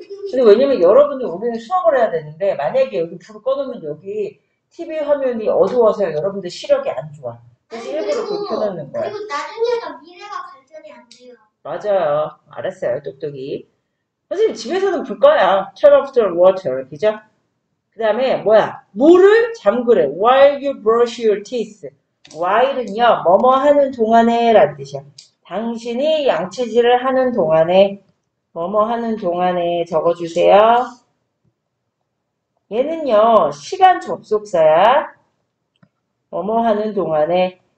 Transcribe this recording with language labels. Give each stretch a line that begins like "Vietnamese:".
Korean: 근데 왜냐면 여러분이 우리는 수업을 해야 되는데, 만약에 여기 불을 꺼놓으면 여기 TV 화면이 어두워서 여러분들 시력이 안 좋아. 그래서 일부러 불 켜놓는 거야. 그리고 나중에가 미래가 발전이 안 돼요. 맞아요. 알았어요. 똑똑이. 선생님, 집에서는 불 꺼요.
English: Turn off the water.
Korean: 그죠? 그 다음에, 뭐야? 물을 잠그래.
English: While you brush your teeth.
Korean: While은요, 뭐뭐 하는 동안에 라는 뜻이야. 당신이 양치질을 하는 동안에, 뭐뭐 하는 동안에 적어주세요. 얘는요, 시간 접속사야. 뭐뭐 하는 동안에.